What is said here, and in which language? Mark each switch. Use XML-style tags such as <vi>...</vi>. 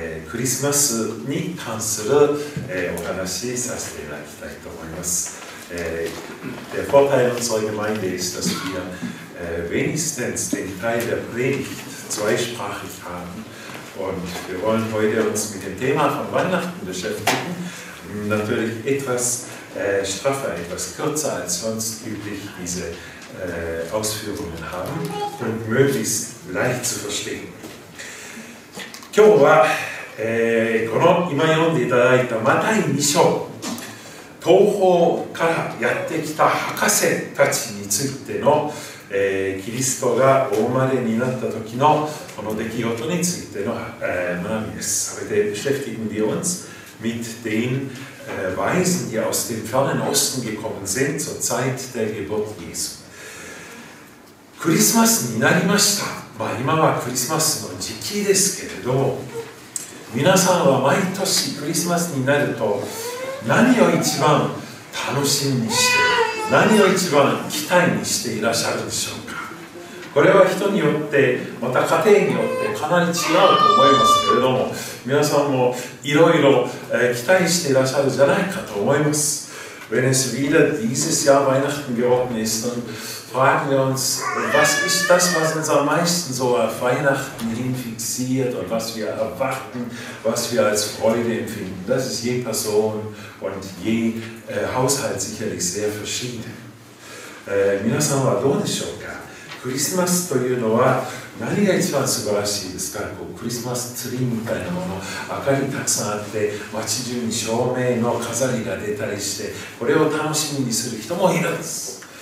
<ja>クリスマスに関する、お話しさせていただきたいと思います。</ja> <de>Vor teilen uns heute mein Idee ist, dass wir wenigstens den Teil der Predigt zweisprachig haben. Und wir wollen heute uns mit dem Thema von Weihnachten beschäftigen. Natürlich etwas straffer, etwas kürzer als sonst üblich diese Ausführungen haben und möglichst leicht zu verstehen.</de> <ja>今日は、この今読んでいただいたマタイ2章、東方からやってきた博士たちについての、キリストがお生まれになった時のこの出来事についての、学びです。それで</ja> <de>beschäftigen wir uns mit den Weisen, die aus dem fernen Osten gekommen sind zur Zeit der Geburt Jesu.</de> <ja>クリスマスになりました。まあ今はクリスマスの時期ですけれども、皆さんは毎年クリスマスになると何を一番楽しみにして、何を一番期待にしていらっしゃるでしょうか。これは人によって、また家庭によってかなり違うと思いますけれども、皆さんもいろいろ期待していらっしゃるじゃないかと思います。</ja> <de>Wenn es wieder dieses Jahr Weihnachten geworden ist, dann fragen wir uns, was ist das, was uns am meisten so auf Weihnachten hin fixiert und was wir erwarten, was wir als Freude empfinden. Das ist je Person und je Haushalt sicherlich sehr verschieden.</de> <ja>皆さんはどうでしょうか。クリスマスというのは何が一番素晴らしいですか。こうクリスマスツリーみたいなもの、明かりたくさんあって、街中に照明の飾りが出たりして、これを楽しみにする人もいるんです。</ja>